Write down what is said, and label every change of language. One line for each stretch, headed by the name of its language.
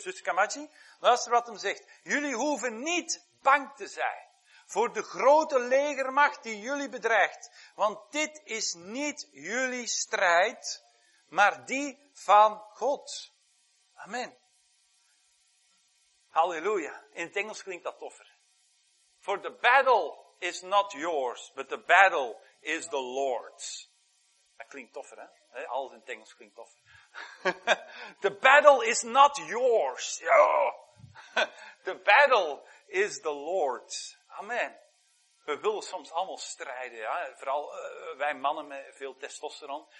Dutch: Zuster Kamachi, luister wat hem zegt. Jullie hoeven niet bang te zijn voor de grote legermacht die jullie bedreigt. Want dit is niet jullie strijd, maar die van God. Amen. Halleluja. In het Engels klinkt dat toffer.
English: For the battle is not yours, but the battle is the Lord's.
Dutch: Dat klinkt toffer, hè? Alles in het Engels klinkt toffer.
English: The battle is not yours. Ja. The battle is the Lord's. Amen.
Dutch: We willen soms allemaal strijden. Ja? Vooral wij mannen met veel testosteron.